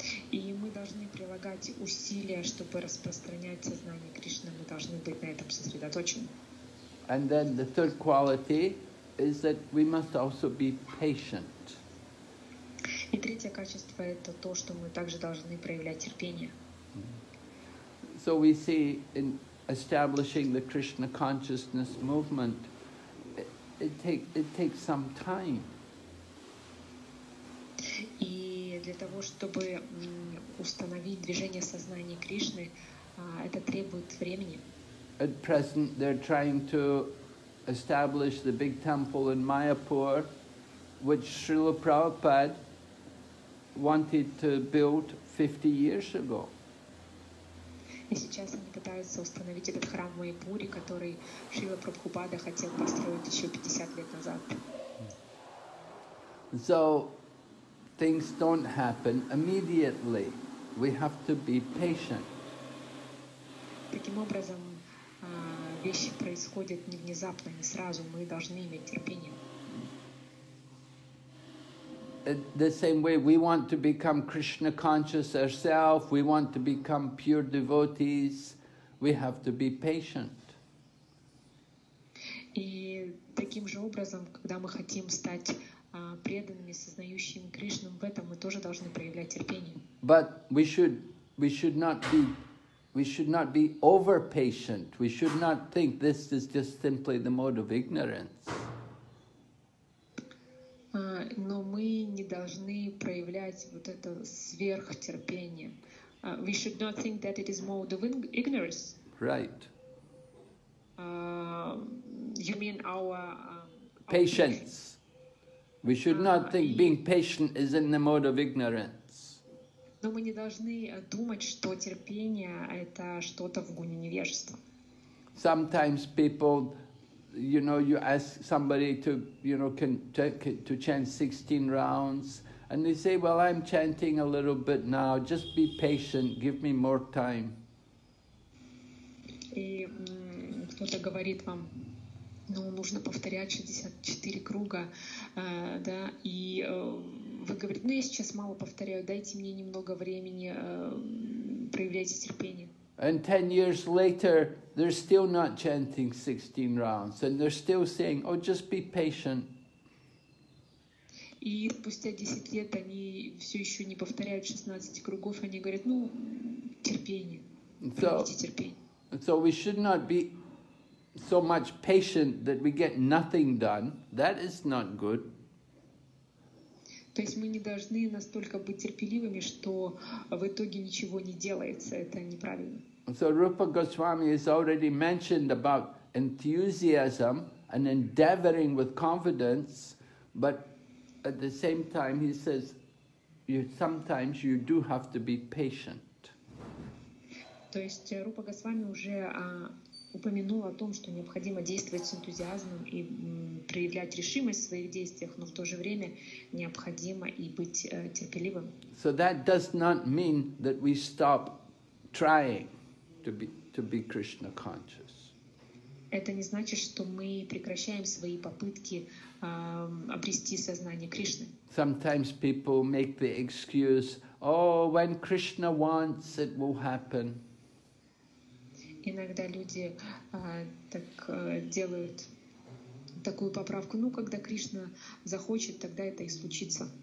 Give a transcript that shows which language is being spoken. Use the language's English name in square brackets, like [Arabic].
[Russian] И мы должны прилагать усилия, чтобы распространять сознание Кришны. Мы должны быть на этом сосредоточены. [English] And then the third quality is that we must also be patient. [Russian] И третье качество – это то, что мы также должны проявлять терпение. [English] So we see in establishing the Krishna consciousness movement, it takes some time. [Russian] И для того, чтобы установить движение сознания Кришны, это требует времени. [English] At present, they're trying to establish the big temple in Mayapur, which Srila Prabhupada wanted to build 50 years ago. [Russian] И сейчас они пытаются установить этот храм в Майпуре, который Шрила Прабхупада хотел построить еще 50 лет назад. [English] So things don't happen immediately. We have to be patient. [Russian] Таким образом, вещи происходят не внезапно, не сразу. Мы должны иметь терпение. [English] The same way we want to become Krishna conscious ourselves, we want to become pure devotees, we have to be patient. [Russian] И таким же образом, когда мы хотим стать преданными, сознающими Кришну, в этом мы тоже должны проявлять терпение. [English] But we should not be over patient. We should not think this is just simply the mode of ignorance. [Russian] Но мы не должны проявлять вот это сверхтерпение. We should not think that it is mode of ignorance. [English] Right. You mean our patience. We should not think being patient is in the mode of ignorance. [Russian] Но мы не должны думать, что терпение это что-то в гуне невежества. [English] Sometimes people, you know, you ask somebody to, you know, to chant 16 rounds, and they say, well, I'm chanting a little bit now, just be patient, give me more time. [Russian] И кто-то говорит вам, ну, нужно повторять 64 круга, да, и вы говорите, ну, я сейчас мало повторяю, дайте мне немного времени, проявляйте терпение. [English] And 10 years later, they're still not chanting 16 rounds, and they're still saying, "Oh, just be patient." [Russian] И спустя 10 лет они все еще не повторяют 16 кругов. Они говорят, "Ну, терпение, проявите терпение." [English] So we should not be so much patient that we get nothing done. That is not good. [Russian] То есть мы не должны настолько быть терпеливыми, что в итоге ничего не делается. Это неправильно. [English] So Rupa Goswami has already mentioned about enthusiasm, an endeavoring with confidence, but at the same time he says, you sometimes you do have to be patient. [Russian] То есть Рупа Госвами уже упомянул о том, что необходимо действовать с энтузиазмом и проявлять решимость в своих действиях, но в то же время необходимо и быть терпеливым. [English] So that does not mean that we stop trying to be Krishna conscious. [Russian] Это не значит, что мы прекращаем свои попытки обрести сознание Кришны. [English] Sometimes people make the excuse, oh, when Krishna wants, it will happen. [Russian] Иногда люди так делают такую поправку, ну, когда Кришна захочет, тогда это и случится.